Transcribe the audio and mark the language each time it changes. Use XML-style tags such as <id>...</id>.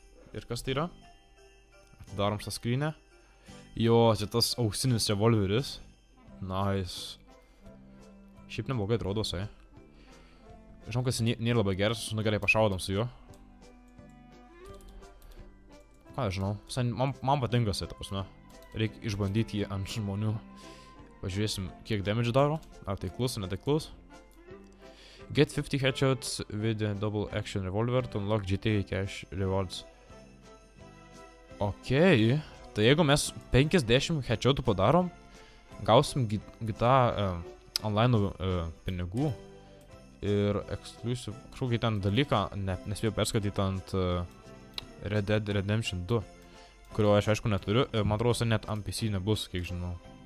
<lt>Ir kas tai yra? Atidarom šitą skrynę. Jo, čia tas auksinis revolveris. Nice. Šiaip neblogai atrodo, sai. Žinau, kad jis nėra labai geras, nu gerai pašaudom su juo. Ką aš žinau, sai, man patinka, sai, ta prasme. Reik išbandyti jį ant žmonių. Pažiūrėsim, kiek damage daro. Ar tai klus, ar ne tai klus.</lt> <en>Get 50 headshots with a double action revolver to unlock GTA cash rewards.</en> <lt>Okei. Tai jeigu mes 50 headshotų padarom, gausim gitą online pinigų ir exclusive, kažkokį ten dalyką nespėjau perskatyti ant Red Dead Redemption 2, kurio aš aišku neturiu, man atrodo, kad net NPC nebus, kiek žinau.</lt>